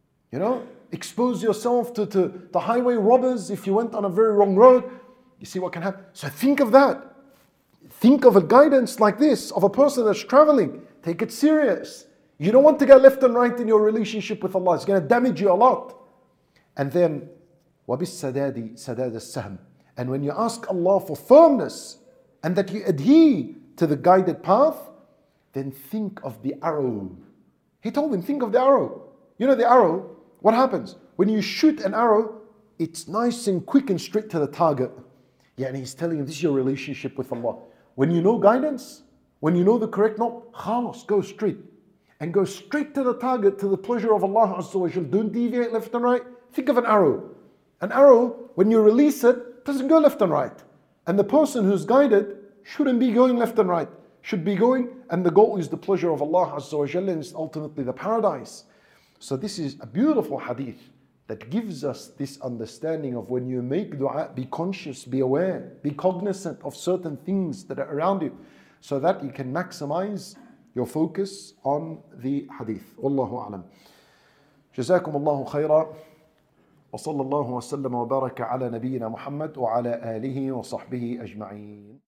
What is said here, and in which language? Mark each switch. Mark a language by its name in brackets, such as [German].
[English] You know, expose yourself to the highway robbers if you went on a very wrong road. You see what can happen. So think of that. Think of a guidance like this of a person that's traveling. Take it serious. You don't want to get left and right in your relationship with Allah. It's going to damage you a lot. And then, [Arabic] وَبِالسَّدَادِ سَدَادَ السَّهْمِ. [English] And when you ask Allah for firmness and that you adhere to the guided path, then think of the arrow. He told him, think of the arrow. You know the arrow, what happens? When you shoot an arrow, it's nice and quick and straight to the target. Yeah, and he's telling him, this is your relationship with Allah. When you know guidance, when you know the correct knob, khalas, go straight. And go straight to the target, to the pleasure of Allah Azza wa Jal. Don't deviate left and right. Think of an arrow. An arrow, when you release it, doesn't go left and right. And the person who's guided shouldn't be going left and right. Should be going, and the goal is the pleasure of Allah Azza wa Jalla, and it's ultimately the paradise. So this is a beautiful hadith that gives us this understanding of when you make dua, be conscious, be aware, be cognizant of certain things that are around you, so that you can maximize your focus on the hadith. [Arabic] Wallahu alam. Jazakum Allahu khayra. وصلى الله وسلم وبارك على نبينا محمد وعلى آله وصحبه أجمعين.